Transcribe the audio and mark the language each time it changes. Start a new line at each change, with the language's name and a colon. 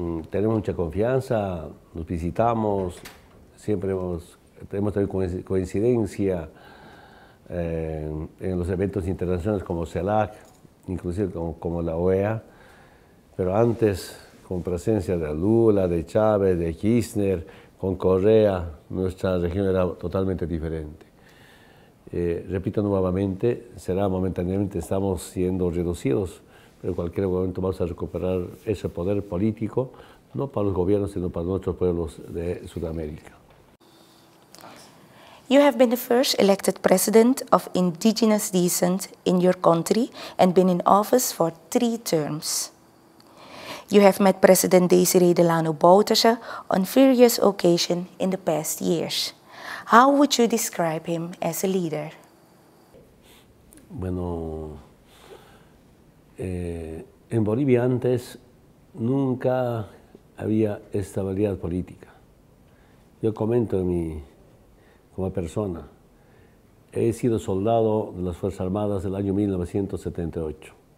Spanish: Tenemos mucha confianza, nos visitamos, siempre hemos tenido coincidencia en los eventos internacionales como CELAC, inclusive como la OEA, pero antes con presencia de Lula, de Chávez, de Kirchner, con Correa, nuestra región era totalmente diferente. Repito nuevamente, será momentáneamente, estamos siendo reducidos, pero en cualquier momento vamos a recuperar ese poder político, no para los gobiernos, sino para nuestros pueblos de Sudamérica.
English: You have been the first elected president of indigenous descent in your country and been in office for 3 terms. You have met President Desiree Delano Bautische on various occasions in the past years. How would you describe him as a leader?
Spanish: Bueno, en Bolivia antes nunca había estabilidad política. Yo comento como persona, he sido soldado de las Fuerzas Armadas del año 1978.